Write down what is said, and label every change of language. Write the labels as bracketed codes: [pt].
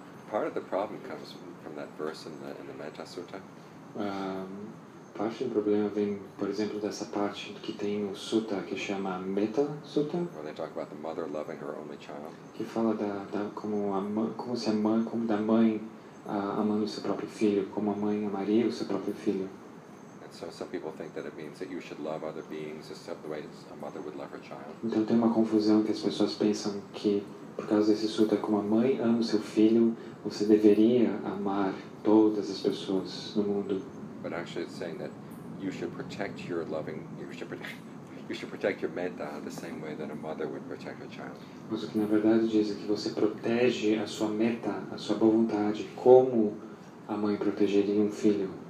[en] Part of the problem comes from that verse in the Metta Sutta. [pt] Parte do problema vem, por exemplo, dessa parte que tem o Sutta que chama Metta Sutta. [en] Where they talk about the mother loving her only child. [pt] Que fala como a mãe amando seu próprio filho, como a mãe amaria o seu próprio filho. [en] So some people think that it means that you should love other beings except the way a mother would love her child. [pt] Então tem uma confusão que as pessoas pensam que por causa desse sutra como a mãe ama o seu filho, você deveria amar todas as pessoas no mundo. [en] But actually it's saying that you should protect your metta the same way that a mother would protect her child. [pt] Mas o que na verdade diz é que você protege a sua metta, a sua boa vontade, como a mãe protegeria um filho.